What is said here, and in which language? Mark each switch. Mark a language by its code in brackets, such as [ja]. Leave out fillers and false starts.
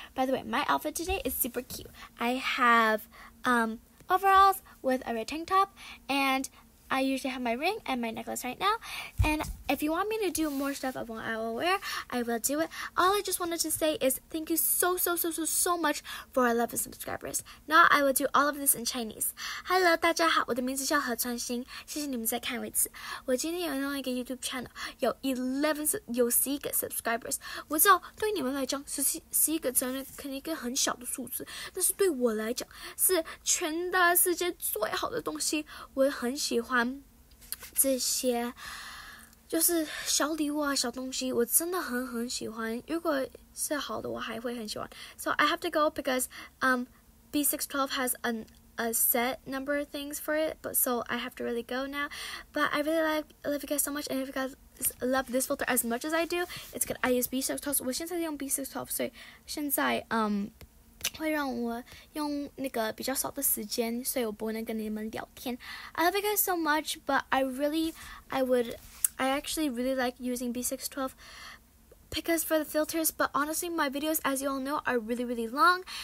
[en] By the way, my outfit today is super cute. I have overalls with a red tank top, and I usually have my ring and my necklace right now. And if you want me to do more stuff of what I will wear, I will do it. All I just wanted to say is thank you so, so, so, so, so much for 11 subscribers. Now I will do all of this in Chinese. [zh] Hello, 大家好，我的名字叫何川星，谢谢你们再看我一次。我今天有弄一个 YouTube channel， 有 11 有十一个 subscribers。我知道对你们来讲十一个真的肯定一个很小的数字，但是对我来讲是全大世界最好的东西。我很喜欢这些就是小礼物啊小东西，我真的很很喜欢，如果是好的我还会很喜欢。 [en] So I have to go because B612 has a set number of things for it, but so I have to really go now. But I really love you guys so much, and if you guys love this filter as much as I do, it's good. I use B612, [zh] 我现在用 B612, 所以现在会让我用那个比较少的时间，所以我不能跟你们聊天。 [en] I love you guys so much, but I actually really like using B612 because for the filters, but honestly, my videos, as you all know, are really, really long.